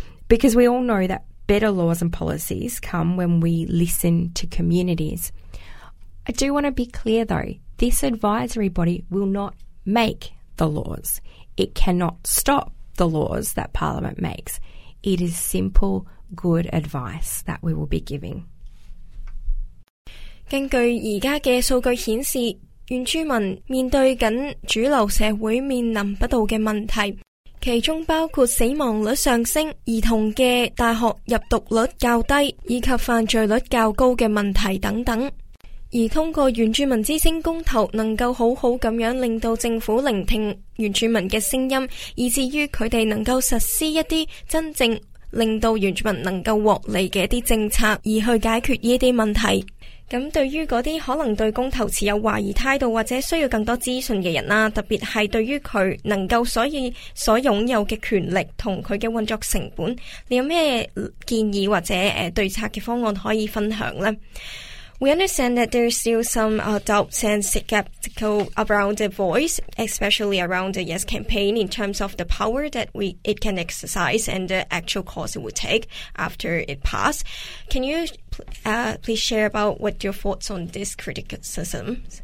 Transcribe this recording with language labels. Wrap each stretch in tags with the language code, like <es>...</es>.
<en>Because we all know that better laws and policies come when we listen to communities. I do want to be clear though, this advisory body will not make the laws. It cannot stop the laws that Parliament makes. It is simple, good advice that we will be giving.</en> <yue>根据现在的数据显示，原住民面对着主流社会面临不到的问题，其中包括死亡率上升、儿童的大学入读率较低以及犯罪率较高的问题等等。而通过原住民之声公投，能够好好咁样令到政府聆听原住民嘅声音，以至于佢哋能够实施一啲真正令到原住民能够获利嘅一啲政策，而去解决呢啲问题。咁对于嗰啲可能对公投持有怀疑态度或者需要更多资讯嘅人啦，特别系对于佢能够所拥有嘅权力同佢嘅运作成本，你有咩建议或者对策嘅方案可以分享呢？</yue> <en>We understand that there's still some doubts and skeptical around the voice, especially around the Yes campaign in terms of the power that it can exercise and the actual course it would take after it passed. Can you please share about what your thoughts on this criticism?</en>